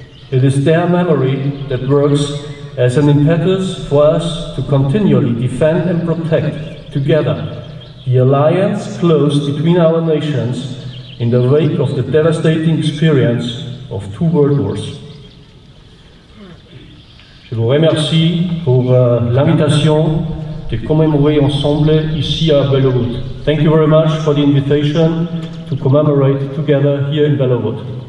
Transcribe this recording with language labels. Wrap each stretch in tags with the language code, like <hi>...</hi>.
<en>It is their memory that works as an impetus for us to continually defend and protect together the alliance closed between our nations in the wake of the devastating experience of two world wars.</en> <fr>Je vous remercie pour l'invitation de commémorer ensemble ici à Belleau Wood.</fr> <en>Thank you very much for the invitation to commemorate together here in Belleau Wood.</en>